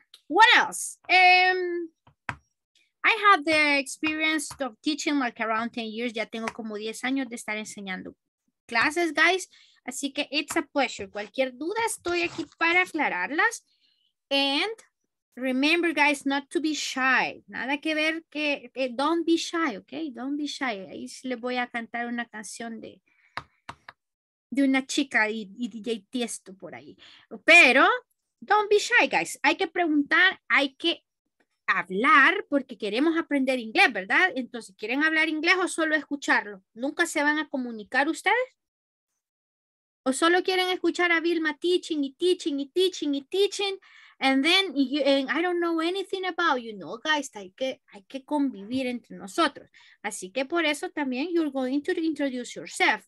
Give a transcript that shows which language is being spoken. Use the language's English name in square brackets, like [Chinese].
[English] What else? I have the experience of teaching like around 10 years. [Spanish] Ya tengo como 10 años de estar enseñando clases, guys. Así que [English] it's a pleasure. [Spanish] Cualquier duda estoy aquí para aclararlas. [English] And remember, guys, not to be shy. [Spanish] Nada que ver que [English] don't be shy, okay? Don't be shy. [Spanish] Ahí le voy a cantar una canción de una chica y DJ Tiesto por ahí. Pero [English] don't be shy, guys. [Spanish] Hay que preguntar, hay que hablar porque queremos aprender inglés, ¿verdad? Entonces, ¿quieren hablar inglés o solo escucharlo? ¿Nunca se van a comunicar ustedes? ¿O solo quieren escuchar a Vilma teaching y teaching y teaching y teaching? [English] And I don't know anything about you, know, guys. [Spanish] Hay que convivir entre nosotros. Así que por eso también [English] you're going to introduce yourself.